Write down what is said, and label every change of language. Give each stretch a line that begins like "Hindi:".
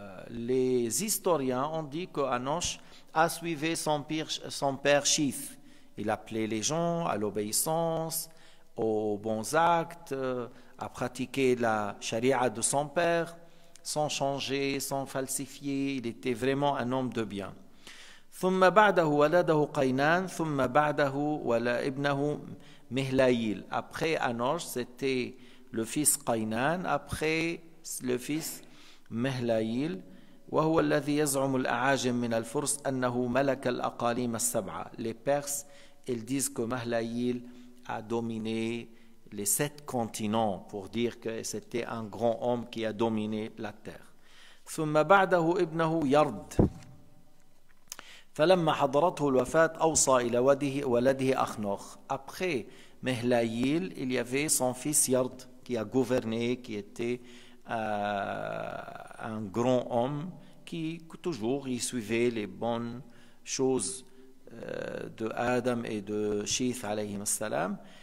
French: Les historiens ont dit que Anosh a suivi son père Chif. Il appelait les gens à l'obéissance, aux bons actes, à pratiquer la charia de son père, sans changer, sans falsifier. Il était vraiment un homme de bien.
Arabic: ثم بعده ولده قينان ثم بعده ابنه مهلايل.
French: Après Anosh, c'était le fils Qainan. Après le fils مهلايل
Arabic: وهو الذي يزعم الأعاجم من الفرس أنه ملك الأقاليم السبعة.
French: Les Perses, ils disent que Mahlayil a dominé les sept continents pour dire que c'était un grand homme qui a dominé la terre.
Arabic: ثم بعده ابنه يرد فلما حضرته الوفاة أوصى إلى ولده أخنوخ.
French: Après Mahlayil, il y avait son fils Yard qui a gouverné, qui était un grand homme qui toujours y suivait les bonnes choses de Adam et de Chif alayhim salam.